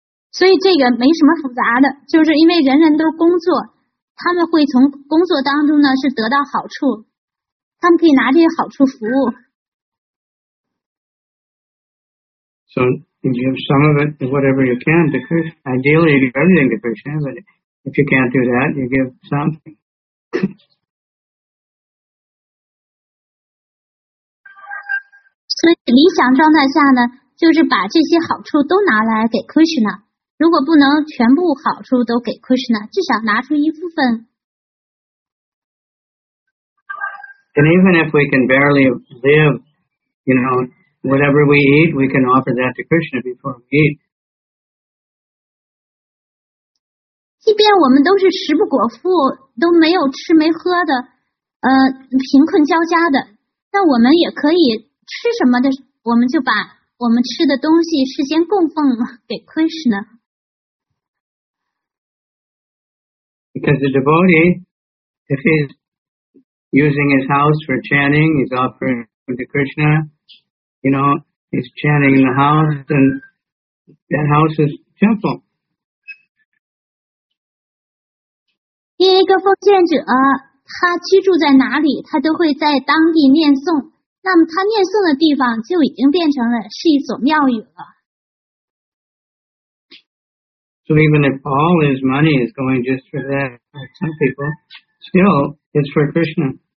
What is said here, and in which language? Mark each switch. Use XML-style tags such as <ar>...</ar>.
<zh>所以这个没什么复杂的，就是因为人人都工作，他们会从工作当中呢是得到好处，他们可以拿这些好处服务。</zh> <en>So you give some of it, whatever you can, because ideally you give everything to Krishna, but if you can't do that, you give something.</en> <zh>所以理想状态下呢，就是把这些好处都拿来给 Krishna。如果不能全部好处都给 Krishna, 至少拿出一部分。</zh> <en>And even if we can barely live, you know, whatever we eat, we can offer that to Krishna before we eat.</en> <zh>即便我们都是食不果腹，都没有吃没喝的，贫困交加的，那我们也可以吃什么的，我们就把我们吃的东西事先供奉给 Krishna。</zh> <en>Because the devotee, if he's using his house for chanting, he's offering to Krishna, you know, he's chanting in the house, and that house is temple.</en> <zh>因为一个奉献者，他居住在哪里，他都会在当地念诵，那么他念诵的地方就已经变成了是一所庙宇了。</zh> <en>So even if all his money is going just for that, some people, still, it's for Krishna.</en>